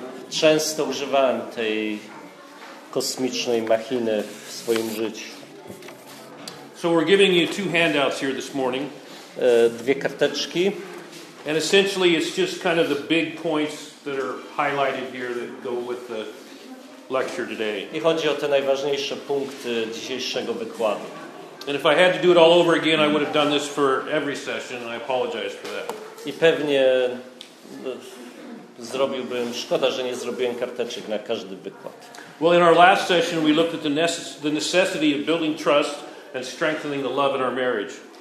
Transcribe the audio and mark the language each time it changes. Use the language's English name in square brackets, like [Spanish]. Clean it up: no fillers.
[Polish] Często używałem tej kosmicznej machiny w swoim życiu. [English] So we're giving you two handouts here this morning. [Polish] Dwie karteczki. [English] And essentially it's just kind of the big points that are highlighted here that go with the lecture today. [Polish] I chodzi o te najważniejsze punkty dzisiejszego wykładu. [English] And if I had to do it all over again, I would have done this for every session, and I apologize for that. [Polish] I pewnie zrobiłbym, szkoda, że nie zrobiłem karteczek na każdy wykład. [English] Well, in our last session, we looked at the necessity of building trust and strengthening the love in our marriage.